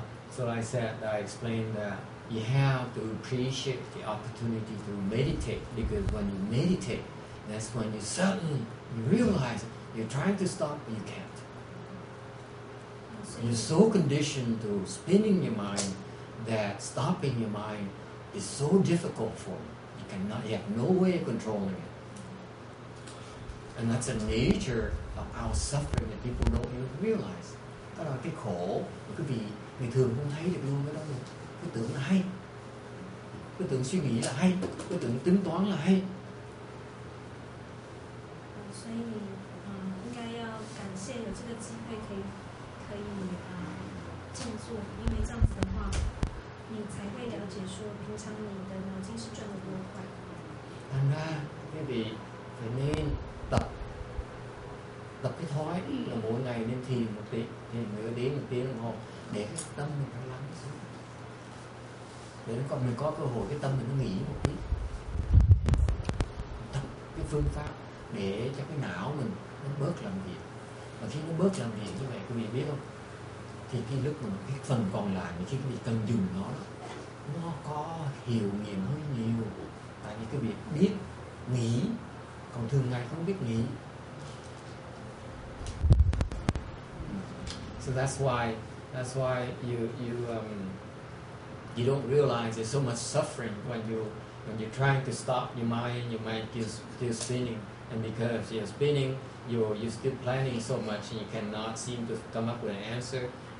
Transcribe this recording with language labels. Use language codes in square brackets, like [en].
[en] So I said, I explained that you have to appreciate the opportunity to meditate, because when you meditate, that's when you suddenly realize you're trying to stop, but you can't. You're so conditioned to spinning your mind that stopping your mind is so difficult for you. You have no way of controlling it. And that's the nature of our suffering that people don't even realize. [vi] Đó là cái khổ, cái vì người thường không thấy được luôn cái đó luôn. Cứ tưởng là hay. Cứ tưởng suy nghĩ là hay. Cứ tưởng tính toán là hay. [zh] 所以你应该要感谢有这个机会可以静坐，因为这样子的话，你才会了解说平常你的脑筋是转的多快。当然，因为你肯定 [vi] tập cái thói là mỗi ngày nên thiền một tí, thiền nửa tiếng, một tiếng đồng hồ, để cái tâm mình nó lắng xuống, để nó còn mình có cơ hội cái tâm mình nó nghỉ một tí. Tập cái phương pháp để cho cái não mình nó bớt làm việc. Và khi nó bớt làm việc như vậy, quý vị biết không, thì cái lúc mà cái phần còn lại, cái quý vị cần dùng nó đó, nó có hiệu nghiệm hơn nhiều. Tại vì cái việc biết nghĩ, còn thường ngày không biết nghĩ. [en] So that's why you don't realize there's so much suffering when you're trying to stop your mind is still spinning, and because you're spinning, you're still planning so much, and you cannot seem to come up with an answer.